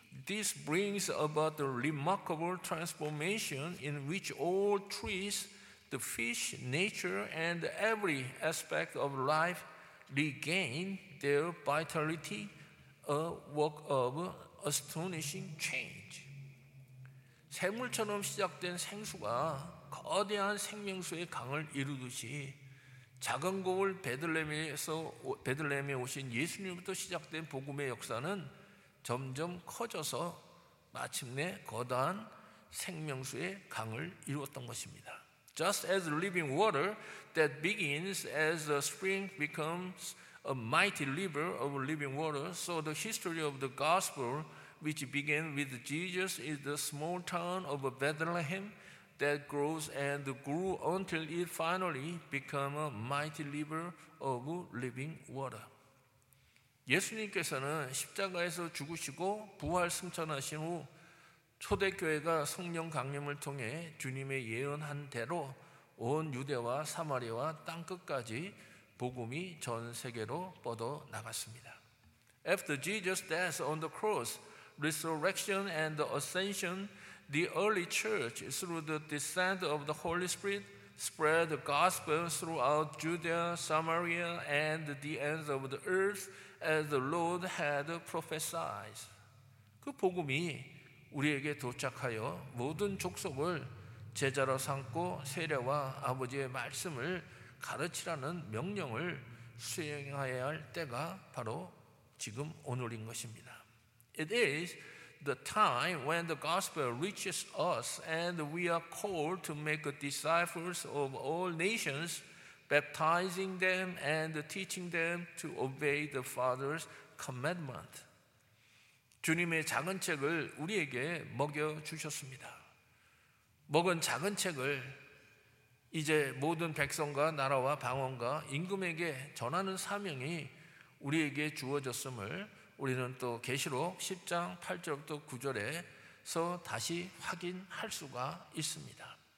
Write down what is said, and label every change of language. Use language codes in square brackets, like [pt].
[en] This brings about a remarkable transformation in which all trees, the fish, nature, and every aspect of life regain their vitality, a work of astonishing change. [ko] 샘물처럼 시작된 생수가 거대한 생명수의 강을 이루듯이 작은 고을 베들레헴에서 베들레헴에 오신 예수님부터 시작된 복음의 역사는 점점 커져서 마침내 거대한 생명수의 강을 이루었던 것입니다. [en] Just as living water that begins as a spring becomes a mighty river of living water, so the history of the gospel, which began with Jesus in the small town of Bethlehem, that grows and grew until it finally became a mighty river of living water. [ko] 예수님께서는 십자가에서 죽으시고 부활 승천하신 후 초대교회가 성령 강림을 통해 주님의 예언한 대로 온 유대와 사마리아와 땅끝까지 복음이 전 세계로 뻗어 나갔습니다. [en] After Jesus' death on the cross, resurrection and ascension, the early church, through the descent of the Holy Spirit, spread the gospel throughout Judea, Samaria, and the ends of the earth as the Lord had prophesied. [ko] 그 복음이 우리에게 도착하여 모든 족속을 제자로 삼고 세례와 아버지의 말씀을 가르치라는 명령을 수행해야 할 때가 바로 지금 오늘인 것입니다. [en] It is the time when the gospel reaches us and we are called to make disciples of all nations, baptizing them and teaching them to obey the Father's commandment. [ko] 주님의 작은 책을 우리에게 먹여주셨습니다. 먹은 작은 책을 이제 모든 백성과 나라와 방언과 임금에게 전하는 사명이 우리에게 주어졌음을 우리는 또 계시록 10장 8절부터 9절에서 다시 확인할 수가 있습니다.